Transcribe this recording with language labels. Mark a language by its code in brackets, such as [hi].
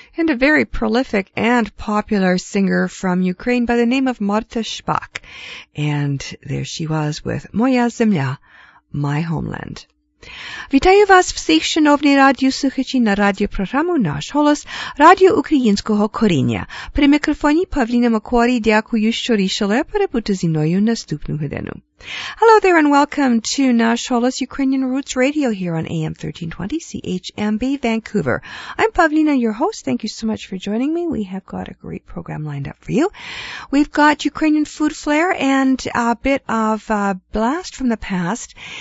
[en] a very prolific and popular singer from Ukraine by the name of Marta Shpak. And there she was with Moya Zemlya, My Homeland. [uk] Вітаю вас всіх, шановні радіослухачі, на радіопрограму «Наш голос» Радіо Українського коріння. При мікрофоні Павліна Макуарі. Дякую, що рішили перебути зі мною наступну годину. [en] Hello there and welcome to «Наш голос» Ukrainian Roots Radio here on AM 1320 CHMB Vancouver. I'm Pavlina, your host. Thank you so much for joining me. We have got a great program lined up for you. We've got Ukrainian food flair and a bit of a blast from the past.